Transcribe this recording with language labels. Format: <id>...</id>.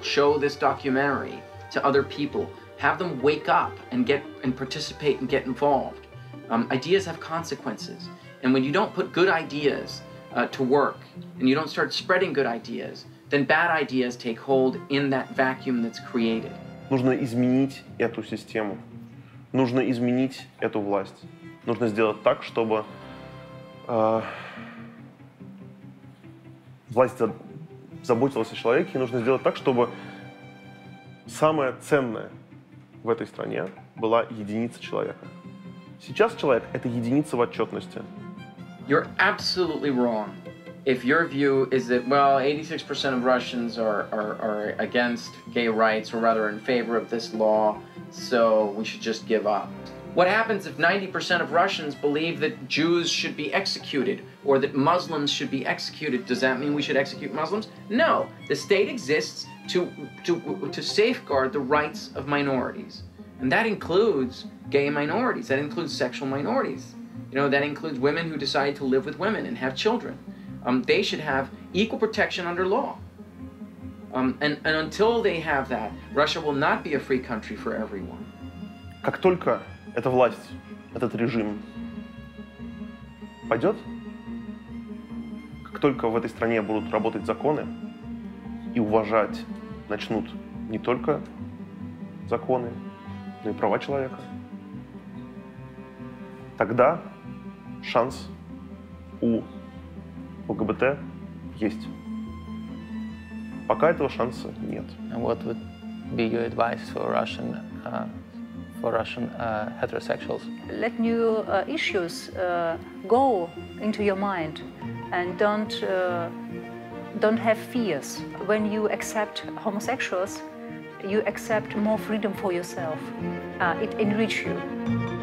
<en>Show this documentary to other people. Have them wake up and get and participate and get involved. Ideas have consequences. And when you don't put good ideas to work, and you don't start spreading good ideas, then bad ideas take hold in that vacuum that's created.</en> <ru>Нужно изменить эту систему. Нужно изменить эту власть. Нужно сделать так, чтобы власть заботилась о человеке. И нужно сделать так, чтобы самое ценное в этой стране была единица человека. Сейчас человек — это единица в отчетности.</ru> <en>You're absolutely wrong if your view is that, well, 86% of Russians are against gay rights, or rather in favor of this law, so we should just give up. What happens if 90% of Russians believe that Jews should be executed, or that Muslims should be executed? Does that mean we should execute Muslims? No. The state exists to safeguard the rights of minorities. And that includes gay minorities. That includes sexual minorities. You know, that includes women who decide to live with women and have children. They should have equal protection under law. And until they have that, Russia will not be a free country for everyone.</en> <ru>Как только эта власть, этот режим пойдет, как только в этой стране будут работать законы и уважать начнут не только законы, но и права человека, тогда шанс у ЛГБТ есть. Пока этого шанса нет.</ru> <en>And what would be your advice for Russian heterosexuals? Let new issues go into your mind, and don't have fears. When you accept homosexuals, you accept more freedom for yourself. It enriches you.</en>